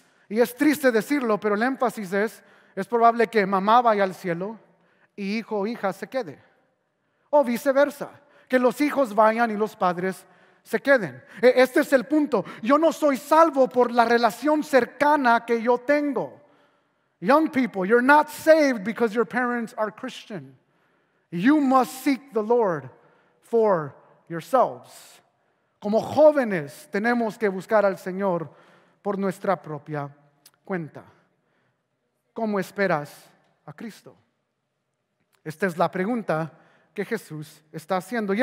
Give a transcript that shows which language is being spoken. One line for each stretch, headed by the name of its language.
Spanish: Y es triste decirlo, pero el énfasis es probable que mamá vaya al cielo y hijo o hija se quede. O viceversa, que los hijos vayan y los padres se queden. Este es el punto. Yo no soy salvo por la relación cercana que yo tengo.
English: Young people, you're not saved because your parents are Christian. You must seek the Lord for yourselves.
Spanish: Como jóvenes, tenemos que buscar al Señor por nuestra propia cuenta. ¿Cómo esperas a Cristo? Esta es la pregunta que Jesús está haciendo.